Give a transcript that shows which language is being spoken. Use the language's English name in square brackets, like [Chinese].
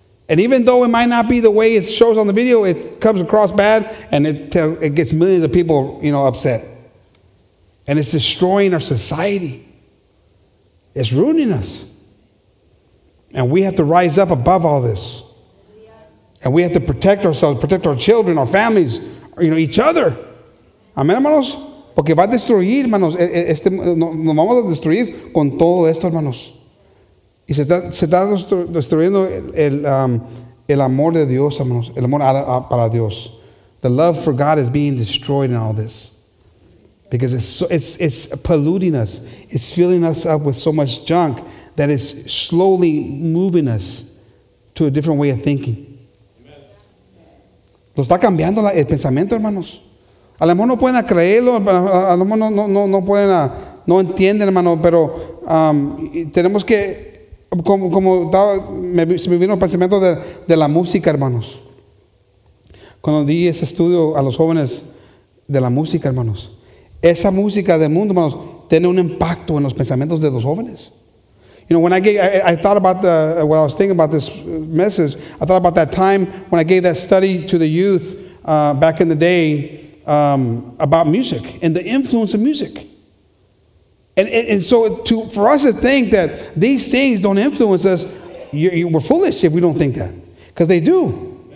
[English] And even though it might not be the way it shows on the video, it comes across bad and it gets millions of people, you know, upset. And it's destroying our society. It's ruining us. And we have to rise up above all this. And we have to protect ourselves, protect our children, our families, you know, each other. [Spanish] Amén, hermanos. Porque va a destruir, hermanos. Nos vamos a destruir con todo esto, hermanos. Y se está destruyendo el amor de Dios, hermanos. El amor para Dios. [English] The love for God is being destroyed in all this. Because it's polluting us. It's filling us up with so much junk that it's slowly moving us to a different way of thinking. [Spanish] Lo está cambiando el pensamiento, hermanos. A lo mejor no pueden creerlo, a lo mejor no pueden, no entienden, hermano, pero tenemos que, como estaba, se me vino el pensamiento de la música, hermanos. Cuando di ese estudio a los jóvenes de la música, hermanos. Esa música del mundo, hermanos, tiene un impacto en los pensamientos de los jóvenes. [English] You know, when I was thinking about this message, I thought about that time when I gave that study to the youth back in the day about music and the influence of music. And so for us to think that these things don't influence us, we're foolish if we don't think that. Because they do.